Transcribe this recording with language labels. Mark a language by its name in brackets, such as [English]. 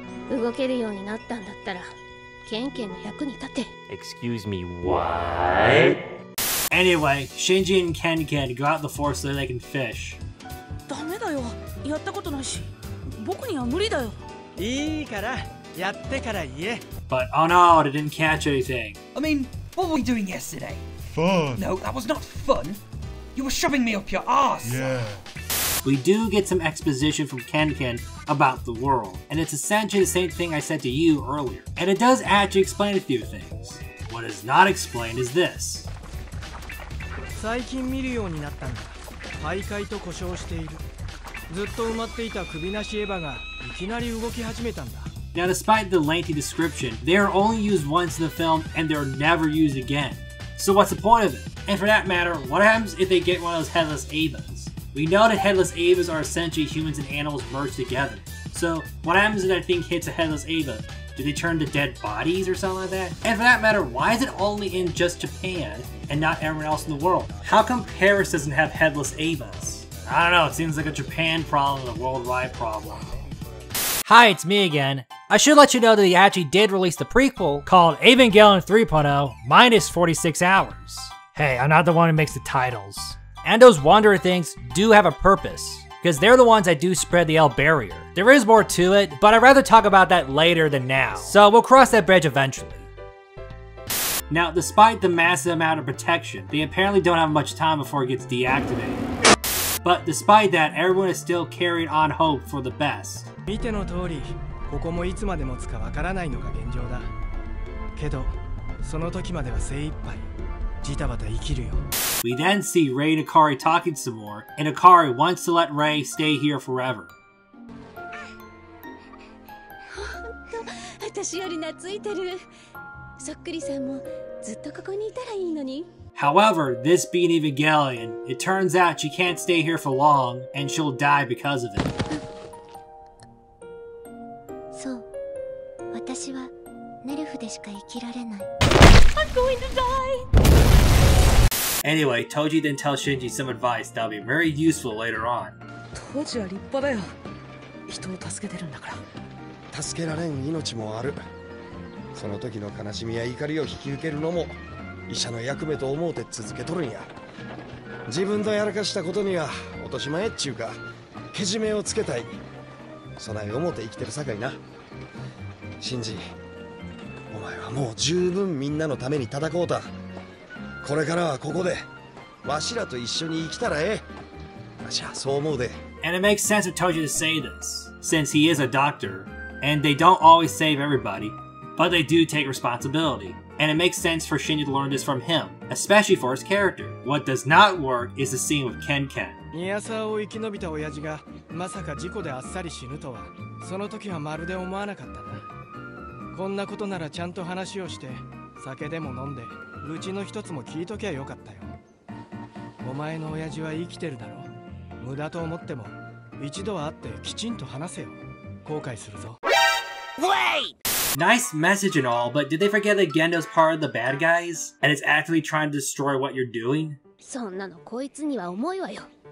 [Japanese] 動けるようになったんだったら、ケンケンの役に立て。 [English] Excuse me, what? Anyway, Shinji and Ken Ken go out the forest so they can fish. [Japanese] ダメだよ。やったことないし、僕には無理だよ。いいから、やってから言え。 [English] But oh no, they didn't catch anything. I mean, what were we doing yesterday? Fun. No, that was not fun. You were shoving me up your ass. Yeah. We do get some exposition from Ken Ken about the world, and it's essentially the same thing I said to you earlier. And it does actually explain a few things. What is not explained is this. [Japanese] 最近見るようになったんだ。徘徊と故障している。ずっと埋まっていた首なしエヴァがいきなり動き始めたんだ。 [English] Now despite the lengthy description, they are only used once in the film and they are never used again. So what's the point of it? And for that matter, what happens if they get one of those headless Evas? We know that headless Evas are essentially humans and animals merged together. So what happens if that thing hits a headless Eva? Do they turn to dead bodies or something like that? And for that matter, why is it only in just Japan and not everyone else in the world? How come Paris doesn't have headless Evas? I don't know, it seems like a Japan problem and a worldwide problem. Hi, it's me again. I should let you know that they actually did release the prequel called Evangelion 3.0 minus 46 hours. Hey, I'm not the one who makes the titles. And those wanderer things do have a purpose, because they're the ones that do spread the L barrier. There is more to it, but I'd rather talk about that later than now. So we'll cross that bridge eventually. Now, despite the massive amount of protection, they apparently don't have much time before it gets deactivated. But despite that, everyone is still carrying on hope for the best. [Japanese] 見ての通り、ここもいつまでもつかわからないのが現状だ。けど、その時までは精一杯、ジタバタ生きるよ。 [English] We then see Rei and Hikari talking some more, and Hikari wants to let Rei stay here forever. [Japanese] 本当、私より懐いてる。そっくりさんもずっとここにいたらいいのに。 [English] However, this being Evangelion, it turns out she can't stay here for long, and she'll die because of it. [Japanese] そう、私はネルフでしか生きられない。 [English] I'm going to die! Anyway, Toji then tells Shinji some advice that'll be very useful later on. [Japanese] Toji は立派だよ。人を助けてるんだから。助けられん命もある。その時の悲しみや怒りを引き受けるのも、医者の役目と思うて続けとるんや。自分とやらかしたことには、落とし前っちゅうか、けじめをつけたい。そない思うて生きてるさかいな。シンジ、お前はもう十分みんなのために戦おうた。これからはここで、わしらと一緒に生きたらええ。わしはそう思うで。 [English] And it makes sense for Toji to say this, since he is a doctor, and they don't always save everybody, but they do take responsibility. And it makes sense for Shinji to learn this from him, especially for his character. What does not work is the scene with Ken Ken. [Japanese] ニアサを生き延びた親父がまさか事故であっさり死ぬとはその時はまるで思わなかったな。こんなことならちゃんと話をして酒でも飲んで愚痴の一つも聞いときゃよかったよ。お前の親父は生きてるだろう。無駄と思っても一度は会ってきちんと話せよ。後悔するぞ。 [English] Wait! Nice message and all, but did they forget that Gendo's part of the bad guys? And it's actually trying to destroy what you're doing? [Japanese] そんなのこいつには重いわよ。